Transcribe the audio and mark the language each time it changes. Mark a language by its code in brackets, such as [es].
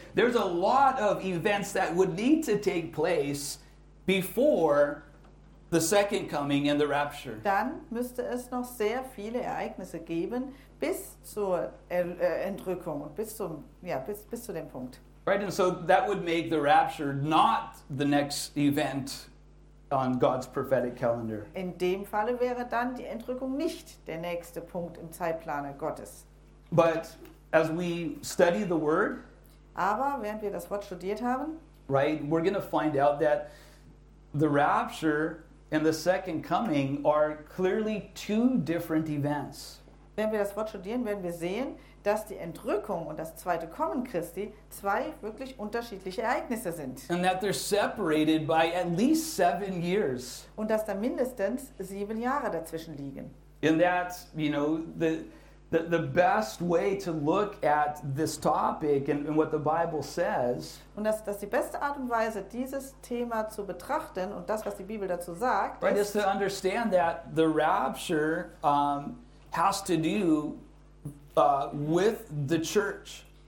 [en] There's a lot of events that would need to take place before the second coming and the rapture. [de] Dann müsste es noch sehr viele Ereignisse geben bis zur Entrückung und bis zum bis zu dem Punkt. [en] Right, and so that would make the rapture not the next event on God's prophetic calendar. [de] In dem Falle wäre dann die Entrückung nicht der nächste Punkt im Zeitplan Gottes. [en] But as we study the word, [de] aber während wir das Wort studiert haben, [en] right, we're going to find out that the rapture and the second coming are clearly two different events. [de] Wenn wir das Wort studieren, werden wir sehen, dass die Entrückung und das zweite Kommen Christi zwei wirklich unterschiedliche Ereignisse sind. [en] And that they're separated by at least 7 years. [de] Und dass da mindestens 7 Jahre dazwischen liegen. [en] And that, you know, the best way to look at this topic and what the Bible says. [de] Und das die beste Art und Weise, dieses Thema zu betrachten und das, was die Bibel dazu sagt, [en] right, is to understand that the rapture has to do with the church.